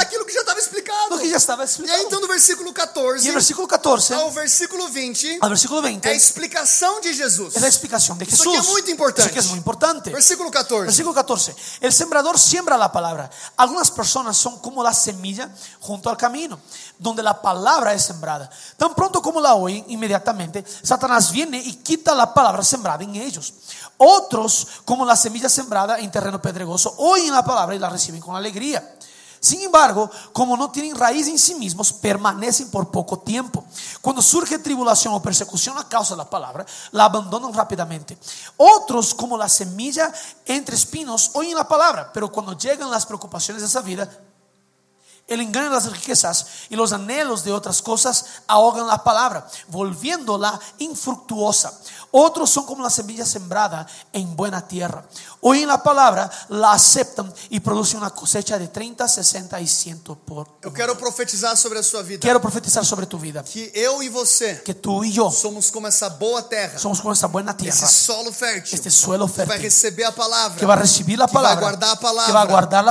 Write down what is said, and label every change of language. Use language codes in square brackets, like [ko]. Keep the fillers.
[pt] Aquilo que já estava explicado. O que já estava explicado. E aí então no versículo 14. E versículo 14. Ao versículo 20. Ao versículo 20. É a explicação de Jesus. É a explicação de Isso Jesus. Isso aqui é muito importante. Isso aqui é muito importante. Versículo 14. Versículo 14. O sembrador sembra a palavra. Algumas pessoas são como a semente junto ao caminho. [es] donde la palabra es sembrada. Tan pronto como la oyen, inmediatamente Satanás viene y quita la palabra sembrada en ellos. Otros, como la semilla sembrada en terreno pedregoso, oyen la palabra y la reciben con alegría. Sin embargo, como no tienen raíz en sí mismos, permanecen por poco tiempo. Cuando surge tribulación o persecución a causa de la palabra, la abandonan rápidamente. Otros, como la semilla entre espinos, oyen la palabra, pero cuando llegan las preocupaciones de esa vida, el engaño de las riquezas y los anhelos de otras cosas ahogan la palabra, volviéndola infructuosa. Otros son como la semilla sembrada en buena tierra. [pt] oem a palavra, a aceptam e produzem uma cosecha de 30, 60 e 100 por. Eu quero profetizar sobre a sua vida. Quero profetizar sobre tua vida. Que eu e você, que tu e eu, somos como essa boa terra. Somos como essa boa terra. Esse solo fértil. [es] Este suelo fértil. [pt] Que vai receber a palavra. Que vai receber a palavra. Que vai guardar a palavra. Que vai guardar a palavra.